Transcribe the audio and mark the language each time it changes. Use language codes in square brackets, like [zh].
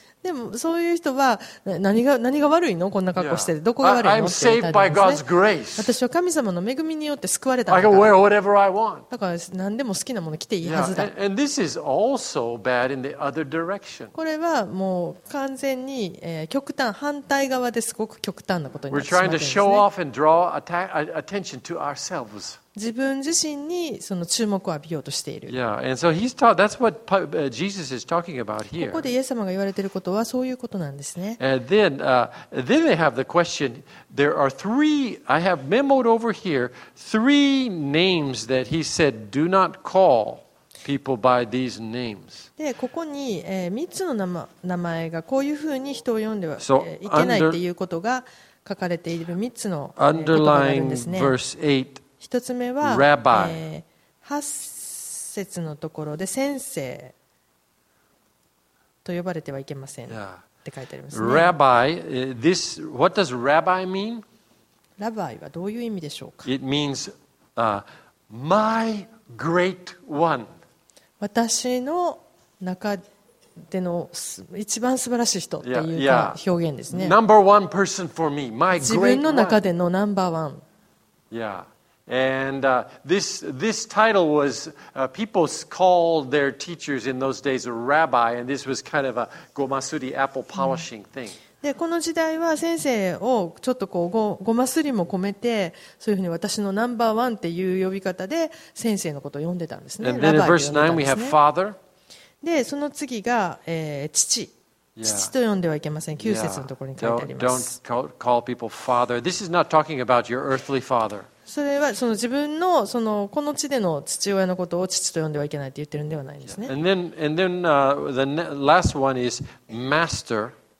[ja] でもそういう人は何が悪いのこんな格好して、yeah. どこが悪いのって言ったんですね。私は神様の恵みによって救われたから。だから何でも好きなもの着ていいはずだ。 [en] Yeah. And this is also bad in the other direction. [ja] これはもう完全に極端反対側ですごく極端なことになってしまってるんですね。 [en] We're trying to show off and draw attention to ourselves. [ja] 自分自身にその注目を浴びようとしている。 [en] Yeah, and so he's taught. That's what Jesus is talking about here. [ja] ここでイエス様が言われていることはそういうことなんですね。 [en] And then, then they have the question. There are three. I have memoed over here three names that he said do not call people by these names. [ja] で、ここに三つの名前がこういうふうに人を呼んではいけないっていうことが書かれている三つの言葉があるんですね。 [en] Underline verse 8. [ja] 一つ目は、八節のところで先生と呼ばれてはいけませんって書いてありますね。 [en] Rabbi, this, what does rabbi mean? [ja] ラバイはどういう意味でしょうか? [en] It means, my great one. [ja] 私の中での一番素晴らしい人という表現ですね。 [en] Number one person for me, my great one. [ja] 自分の中でのナンバーワン。 [en] Yeah. And this title was people called their teachers in those days a rabbi, and this was kind of a gomasuri apple polishing thing.、 [ja] うん、でこの時代は先生をちょっとこうごますりも込めてそういうふうに私のナンバーワンっていう呼び方で先生のことを呼んでたんですね。 [en] And then in verse 9 we have father. [ja] でその次が、父。父と呼んではいけません。9節のところに書いてあります。 [en] Don't call people father. This is not talking about your earthly father. [ja] それはその自分 の, そのこの地での父親のことを父と呼んではいけないと言ってるんではないんですね。 [en] And then, the last one is master.